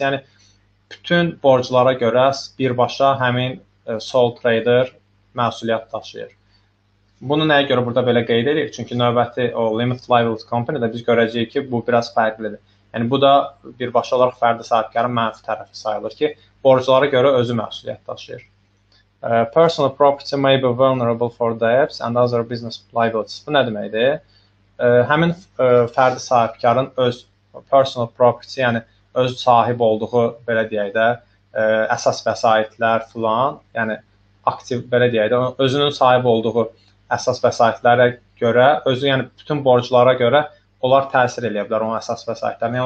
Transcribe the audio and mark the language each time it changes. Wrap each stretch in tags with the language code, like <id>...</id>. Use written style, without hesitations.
<az>Yəni bütün borclara görə birbaşa həmin sol trader məsuliyyət daşıyır. Bunu nəyə görə burada belə qeyd edirik? Çünki növbəti o limit liability company-də biz görəcəyik ki, bu biraz fərqlidir. Yəni bu da birbaşa olaraq fərdi sahibkarın mənfi tərəfi sayılır ki, borclara görə özü məsuliyyət daşıyır.</az> <en>Personal property may be vulnerable for debts and other business liabilities.</en> <az>Bu nə deməkdir? Həmin fərdi sahibkarın öz personal property, yəni öz sahib olduğu, belə deyək də, əsas vəsaitlər filan, yəni aktiv, belə deyək də, özünün sahib olduğu əsas vəsaitlərə görə, özü, yəni bütün borclara görə onlar təsir eləyə bilər onun əsas vəsaitlərinə.</az>